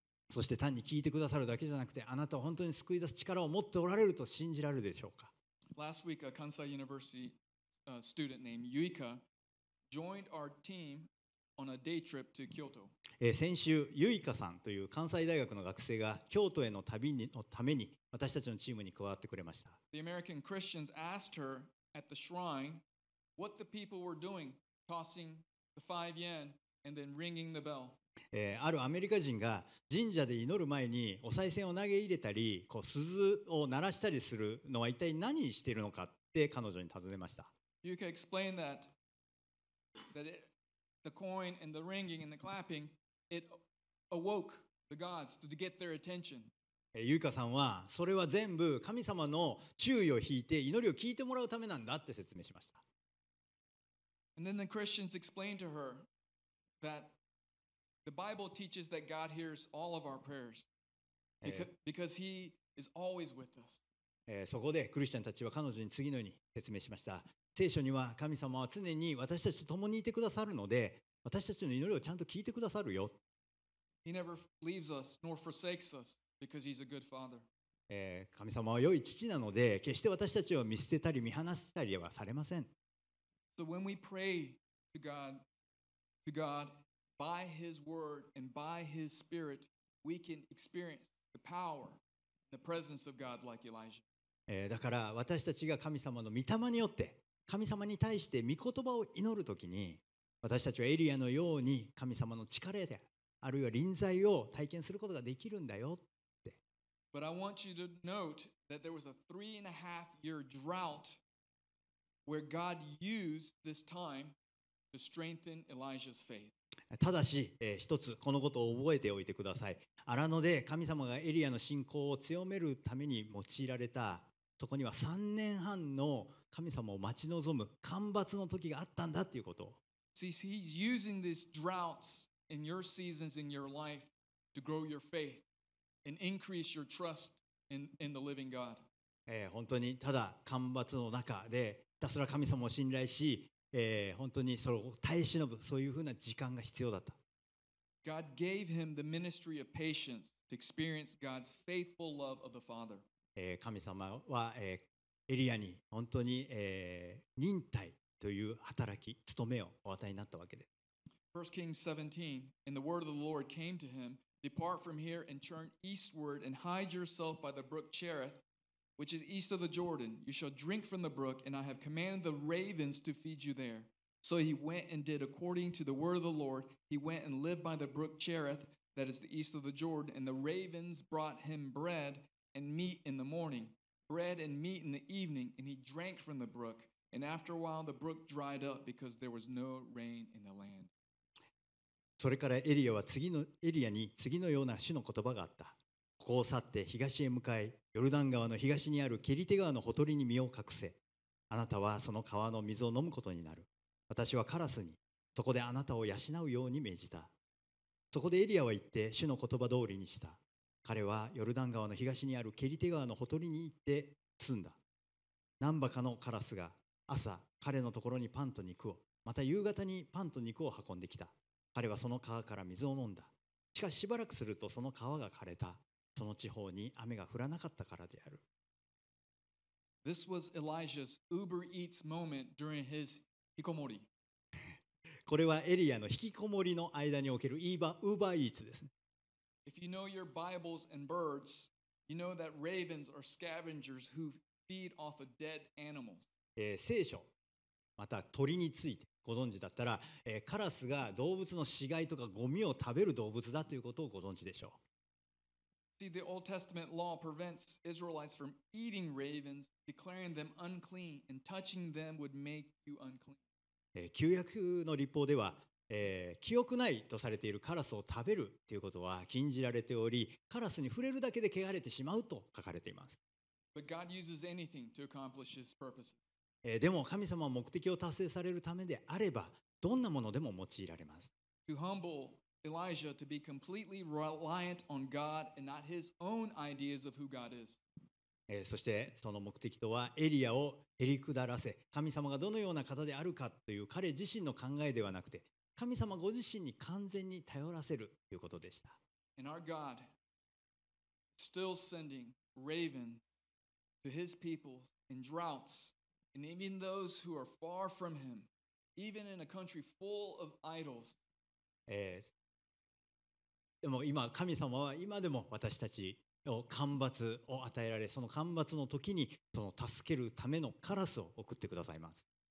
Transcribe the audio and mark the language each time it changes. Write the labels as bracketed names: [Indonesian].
[Japanese] そして単に聞いてくださるだけじゃなくて、あなたは本当に救い出す力を持っておられると信じられるでしょうか。 [English] Last week, a Kansai University student named Yuika joined our team on a day trip to Kyoto. [Japanese] 先週、Yuikaさんという関西大学の学生が京都への旅のために私たちのチームに加わってくれました。 [English] The American Christians asked her at the shrine what the people were doing, tossing. 5 yen and then ringing the bell. [Japanese] あるアメリカ人が神社で祈る前にお賽銭を投げ入れたり、こう鈴を鳴らしたりするのは一体何しているのかって彼女に尋ねました。 [English] You can explain that the coin and the ringing and the clapping it awoke the gods to get their attention. [Japanese] ユイカさんはそれは全部神様の注意を引いて祈りを聞いてもらうためなんだって説明しました。 [English] And then the Christians explained to her that the Bible teaches that God hears all of our prayers because He is always with us. [Japanese] そこでクリスチャンたちは彼女に次のように説明しました。聖書には神様は常に私たちと共にいてくださるので、私たちの祈りをちゃんと聞いてくださるよ。 [English] He never leaves us nor forsakes us because He's a good Father. [Japanese] 神様は良い父なので決して私たちを見捨てたり見放したりはされません。 [English] So when we pray to God by his word and by his spirit, we can experience the power, the presence of God like Elijah. [Japanese] だから私たちが神様の御霊によって神様に対して御言葉を祈るときに、私たちはエリアのように神様の力で、あるいは臨在を体験することができるんだよって。 [English] But I want you to note that there was a 3.5-year drought where God used this time to strengthen Elijah's faith. [Japanese] ただし、一つこのことを覚えておいてください。荒野で神様がエリアの信仰を強めるために用いられた、そこには3年半の神様を待ち望む干ばつの時があったんだということ。 [English] See, he's using these droughts in your seasons in your life to grow your faith and increase your trust in the living God. [Japanese] 本当にただ干ばつの中でひたすら神様を信頼し、本当にそれを耐え忍ぶ、そういうふうな時間が必要だった。 [English] God gave him the ministry of patience to experience God's faithful love of the Father. [Japanese] 神様は、エリアに本当に、忍耐という働き、務めをお与えになったわけです。 [English] 1 Kings 17, and the word of the Lord came to him, Depart from here and turn eastward and hide yourself by the brook Cherith, which is east of the Jordan. You shall drink from the brook, and I have commanded the ravens to feed you there. So he went and did according to the word of the Lord. He went and lived by the brook Cherith, that is the east of the Jordan, and the ravens brought him bread and meat in the morning, bread and meat in the evening, and he drank from the brook. And after a while, the brook dried up because there was no rain in the land. [Japanese] それからエリアに次のような主の言葉があった。ここを去って東へ向かい、ヨルダン川の東にあるケリテ川のほとりに身を隠せ。あなたはその川の水を飲むことになる。私はカラスに、そこであなたを養うように命じた。そこでエリアは行って主の言葉通りにした。彼はヨルダン川の東にあるケリテ川のほとりに行って住んだ。何羽かのカラスが朝彼のところにパンと肉を、また夕方にパンと肉を運んできた。彼はその川から水を飲んだ。しかししばらくするとその川が枯れた。その地方に雨が降らなかったからである。 [English] This was Elijah's Uber Eats moment during his ひこもり。 [Japanese] これはエリアの引きこもりの間における Uber Eats ですね。 [English] If you know your Bibles and birds, you know that ravens are scavengers who feed off of dead animals. [Japanese] 聖書、また鳥についてご存知だったら、カラスが動物の死骸とかゴミを食べる動物だということをご存知でしょう。 [English] See, the Old Testament law prevents Israelites from eating ravens, declaring them unclean, and touching them would make you unclean. [Japanese] 旧約の律法では、清くないとされているカラスを食べるということは禁じられており、カラスに触れるだけで汚れてしまうと書かれています。 [English] But God uses anything to accomplish his purpose. [Japanese] でも神様は目的を達成されるためであれば、どんなものでも用いられます。 [English] To humble Elijah to be completely reliant on God and not his own ideas of who God is. [Japanese] そしてその目的とは、エリアをへりくだらせ、神様がどのような方であるかという彼自身の考えではなくて、神様ご自身に完全に頼らせるということでした。 [English] And our God still sending ravens to his people in droughts. And even those who are far from him, even in a country full of idols. [Japanese] でも今神様は今でも私たちの干ばつを与えられ、その干ばつの時にその助けるためのカラスを送ってくださいます。